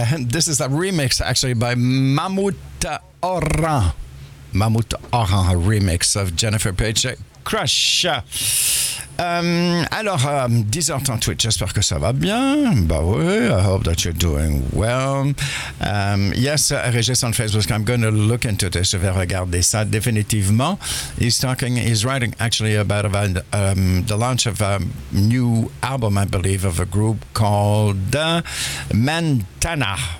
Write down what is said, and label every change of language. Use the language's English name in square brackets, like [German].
[English] This is a remix, actually, by Mammut Ora. Mammut Ora, a remix of Jennifer Page. Crush. [French] Alors, 10h on Twitch, j'espère que ça va bien. Bah oui, [English] I hope that you're doing well. Yes, Regis on Facebook, I'm going to look into this. [French] Je vais regarder ça définitivement. [English] He's writing actually about the launch of a new album, I believe, of a group called Mantana.